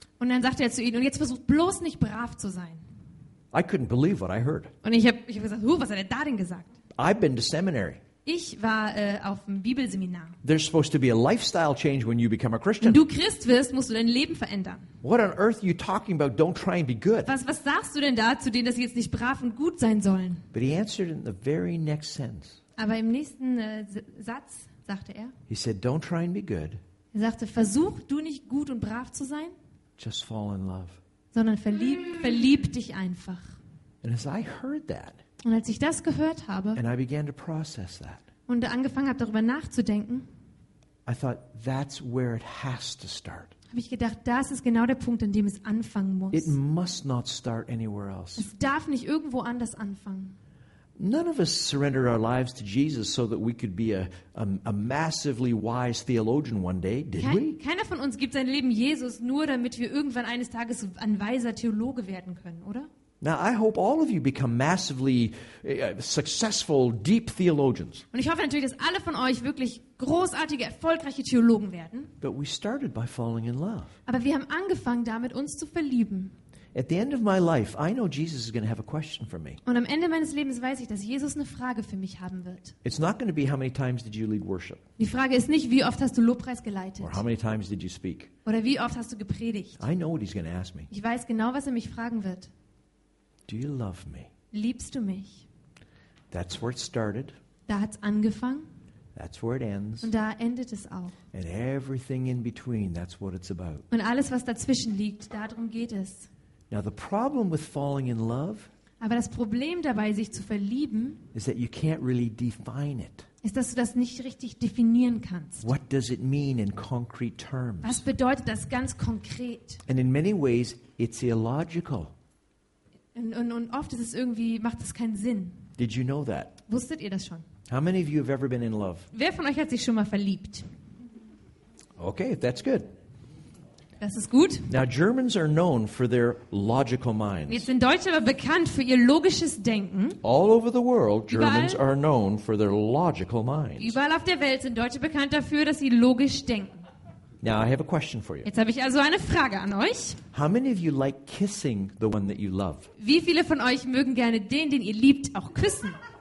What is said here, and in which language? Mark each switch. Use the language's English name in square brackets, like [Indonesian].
[German] Und dann sagte er zu ihnen, und jetzt versucht bloß nicht brav zu sein. [English] I couldn't believe what I heard. [German] Und ich hab gesagt, huh, was hat er da denn gesagt? [English] I've been to seminary. [German] Ich war auf dem Bibelseminar. [English] There's supposed to be a lifestyle change when you become a Christian. [German] Wenn du Christ wirst, musst du dein Leben verändern. [English] What on earth are you talking about? Don't try and be good. [German] Was sagst du denn da zu denen, dass sie jetzt nicht brav und gut sein sollen? [English] But he answered in the very next sentence. [German] Aber im nächsten Satz sagte er. [English] He said, "Don't try and be good." [German] Er sagte, versuch du nicht gut und brav zu sein. [English] Just fall in love. [German] Sondern verlieb dich einfach. [English] And as I heard that. [German] Und als ich das gehört habe [English] and I began to process that, [German] und angefangen habe, darüber nachzudenken, [English] I thought, that's where it has to start. [German] Habe ich gedacht, das ist genau der Punkt, an dem es anfangen muss. [English] It must not start anywhere else. [German] Es darf nicht irgendwo anders anfangen. [English] None of us surrender our lives to Jesus so that we could be a massively wise theologian one day, did we? [German] Keiner von uns gibt sein Leben Jesus nur, damit wir irgendwann eines Tages ein weiser Theologe werden können, oder? [English] Now I hope all of you become massively successful deep theologians. [German] Und ich hoffe natürlich, dass alle von euch wirklich großartige, erfolgreiche Theologen werden. [English] But we started by falling in love. [German] Aber wir haben angefangen damit, uns zu verlieben. [English] At the end of my life, I know Jesus is going to have a question for me. [German] Und am Ende meines Lebens weiß ich, dass Jesus eine Frage für mich haben wird. [English] It's not going to be how many times did you lead worship. [German] Die Frage ist nicht, wie oft hast du Lobpreis geleitet. [English] Or how many times did you speak. [German] Oder wie oft hast du gepredigt. [English] I know what he's going to ask me. [German] Ich weiß genau, was er mich fragen wird. [English] Do you love me? [German] Liebst du mich? [English] That's where it started. [German] Da hat's angefangen. [English] That's where it ends. [German] Und da endet es auch. [English] And everything in between, that's what it's about. [German] Und alles, was dazwischen liegt, darum geht es. [English] Now the problem with falling in love, [German] aber das Problem dabei, sich zu verlieben, [English] is that you can't really define it. [German] Ist, dass du das nicht richtig definieren kannst. [English] What does it mean in concrete terms? [German] Was bedeutet das ganz konkret? [English] And in many ways, it's illogical. [German] Und oft ist es irgendwie, macht es keinen Sinn. [English] Did you know that? [German] Wusstet ihr das schon? [English] How many of you have ever been in love? [German] Wer von euch hat sich schon mal verliebt? [English] Okay, that's good. [German] Das ist gut. [English] Now Germans are known for their logical minds. [German] Jetzt sind Deutsche aber bekannt für ihr logisches Denken. [English] All over the world, Germans are known for their logical minds. [German] Überall auf der Welt sind Deutsche bekannt dafür, dass sie logisch denken. [English] Now I have a question for you. [German] Jetzt habe ich also eine Frage an euch. [English] How many of you like kissing the one that you love? [German] Wie viele von euch mögen gerne den, den ihr liebt, auch küssen?